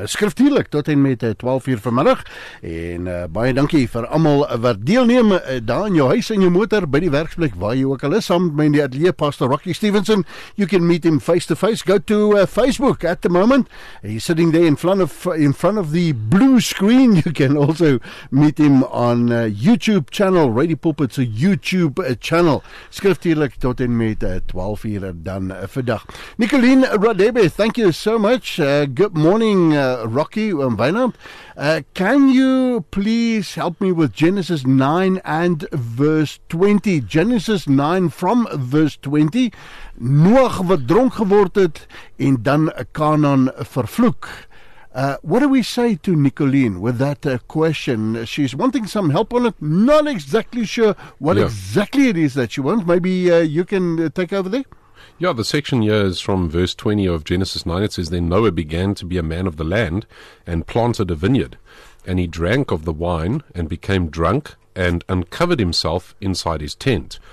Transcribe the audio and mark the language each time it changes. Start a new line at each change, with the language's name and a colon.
Afrikaans: Skriftuurlik tot en met 12 uur vanmiddag. En baie dankie vir almal wat deelneem daar in jou huis en jou motor, by die werksplek, waar jy ook al is, saam met die atelier, Pastor Rocky Stevenson.
English: You can meet him face to face. Go to Facebook at the moment. He's sitting there in front of the blue screen. You can also meet him on YouTube channel, Radio Pulpit's YouTube channel.
Afrikaans: Skriftuurlik tot en met 12 uur. Dan vandag.
English: Nicoline Radebe, thank you so much. Good morning, Rocky and Wynand. Can you please help me with Genesis 9 and verse 20? Genesis 9 from verse 20.
Afrikaans: Noach wat dronk geword het en dan Kanaan vervloek.
English: What do we say to Nicoline with that question? She's wanting some help on it. Not exactly sure what exactly it is that she wants. Maybe you can take over there. Yeah, the section here is from verse 20 of Genesis 9. It says, then Noah began to be a man of the land and planted a vineyard, and he drank of the wine and became drunk and uncovered himself inside his tent.